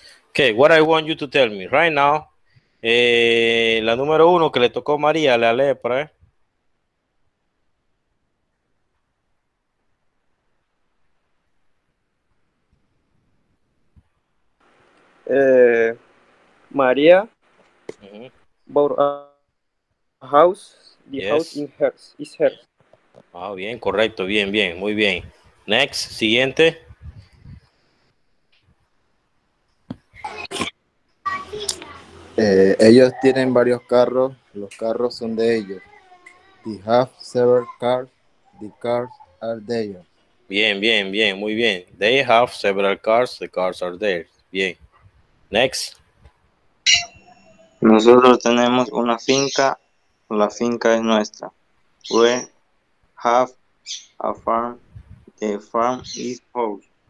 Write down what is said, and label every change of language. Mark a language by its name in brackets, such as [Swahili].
[English] Okay, what I want you to tell me right now. [Spanish] La número uno que le tocó María, la lee por ahí. [English] María bought a house. The house Yes. in hers is hers. [Spanish] Ah, bien, correcto, bien, bien, muy bien. Next, siguiente. Ellos tienen varios carros, los carros son de ellos. [English] They have several cars, the cars are theirs. [Spanish] Bien, bien, bien, muy bien. [English] They have several cars, the cars are there. [Spanish] Bien. Next. Nosotros tenemos una finca, la finca es nuestra. [English] We have a farm, the farm is ours.